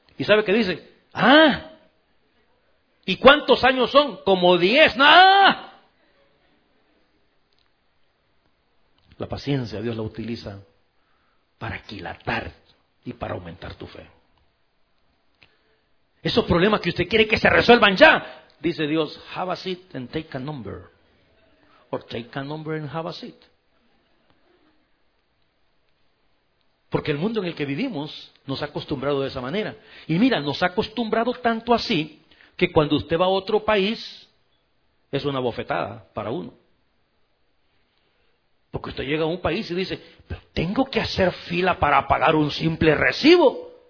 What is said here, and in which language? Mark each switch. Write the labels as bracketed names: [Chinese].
[Spanish] ¿Y sabe qué dice? ¡Ah! ¿Y cuántos años son? ¡Como 10! ¡Ah! La paciencia Dios la utiliza para aquilatar y para aumentar tu fe. Esos problemas que usted quiere que se resuelvan ya. Dice Dios, [English] have a seat and take a number. Or take a number and have a seat. [Spanish] Porque el mundo en el que vivimos nos ha acostumbrado de esa manera. Y mira, nos ha acostumbrado tanto así que cuando usted va a otro país es una bofetada para uno. Porque usted llega a un país y dice, pero tengo que hacer fila para pagar un simple recibo.